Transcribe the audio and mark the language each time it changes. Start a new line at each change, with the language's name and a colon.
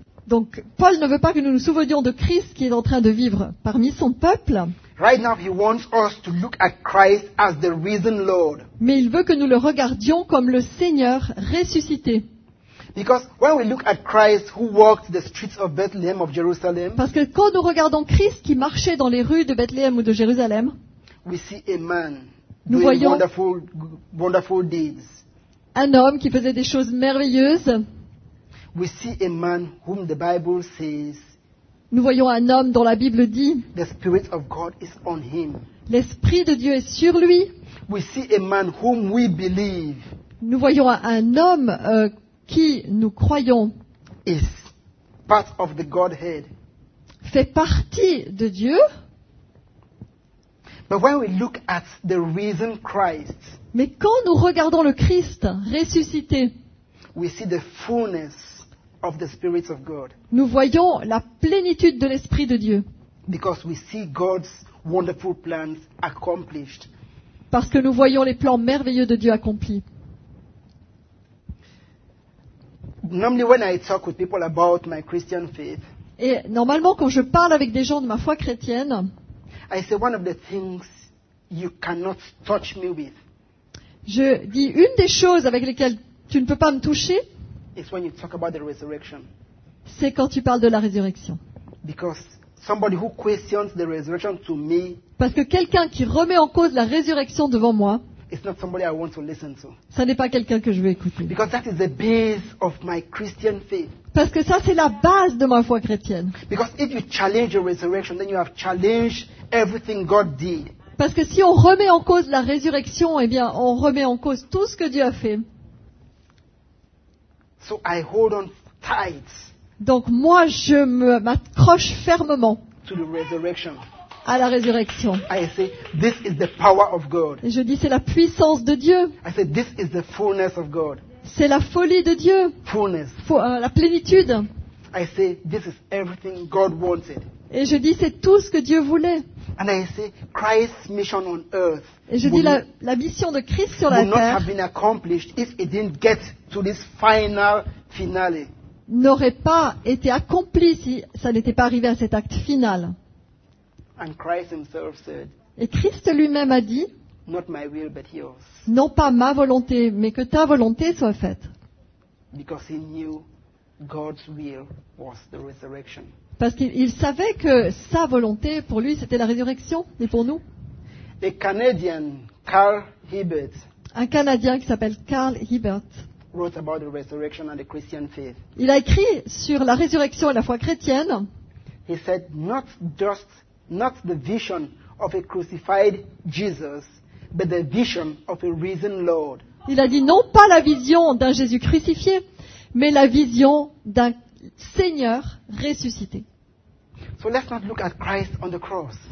French: Donc Paul ne veut pas que nous nous souvenions de Christ qui est en train de vivre parmi son peuple.
English: Right now he wants us to look at Christ as the risen Lord.
French: Mais il veut que nous le regardions comme le Seigneur ressuscité.
English: Because when we look at Christ who walked the streets of Bethlehem of Jerusalem,
French: parce que quand nous regardons Christ qui marchait dans les rues de Bethléem ou de Jérusalem,
English: we see a man
French: nous
English: doing
French: voyons
English: wonderful deeds.
French: Un homme qui faisait des choses merveilleuses.
English: We see a man whom the Bible says,
French: nous voyons un homme dont la Bible dit
English: the Spirit of God is on him.
French: L'Esprit de Dieu est sur lui.
English: We see a man whom we believe.
French: Nous voyons un homme qui, nous croyons,
English: is part of the Godhead.
French: Fait partie de Dieu.
English: But when we look at the risen Christ,
French: mais quand nous regardons le Christ ressuscité,
English: we see the fullness of the Spirit of God.
French: Nous voyons la plénitude de l'Esprit de Dieu.
English: Because we see God's wonderful plans accomplished.
French: Parce que nous voyons les plans merveilleux de Dieu accomplis.
English: Normally when I talk with people about my Christian faith,
French: et normalement quand je parle avec des gens de ma foi chrétienne,
English: I say one of the things you cannot touch me with.
French: Je dis une des choses avec lesquelles tu ne peux pas me toucher.
English: It's when you talk about the resurrection.
French: C'est quand tu parles de la résurrection.
English: Because somebody who questions the resurrection to me,
French: parce que quelqu'un qui remet en cause la résurrection devant moi,
English: it's not somebody I want to listen to.
French: Ça n'est pas quelqu'un que je veux écouter.
English: Because that is the base of my Christian faith.
French: Parce que ça, c'est la base de ma foi chrétienne.
English: Because if you challenge your resurrection, then you have challenged everything God did.
French: Parce que si on remet en cause la résurrection, eh bien, on remet en cause tout ce que Dieu a fait.
English: So I hold on tight.
French: Donc moi, je m'accroche fermement
English: to the resurrection.
French: À la résurrection.
English: I say, this is the power of God.
French: Et je dis, c'est la puissance de Dieu.
English: I say, this is the fullness of God.
French: C'est la folie de Dieu.
English: Fullness.
French: La plénitude.
English: I say, this is everything God wanted.
French: Et je dis, c'est tout ce que Dieu voulait.
English: And I say, Christ's mission on earth,
French: et je dis la mission de Christ sur la terre
English: not have been accomplished if it didn't get to this final finale.
French: N'aurait pas été accompli si ça n'était pas arrivé à cet acte final.
English: And Christ himself said,
French: et Christ lui-même a dit,
English: not my will, but yours.
French: Non pas ma volonté, mais que ta volonté soit faite.
English: Because he knew God's will was the resurrection.
French: Parce qu'il savait que sa volonté, pour lui, c'était la résurrection, et pour nous.
English: A Canadian, Carl Hibbert,
French: un Canadien qui s'appelle Carl Hibbert,
English: wrote about the resurrection and the Christian faith.
French: Il a écrit sur la résurrection et la foi chrétienne.
English: He said, not the vision of a crucified Jesus, but the vision of a risen Lord.
French: Il a dit, non pas la vision d'un Jésus crucifié, mais la vision d'un Seigneur ressuscité.
English: So let's not look at Christ on the cross.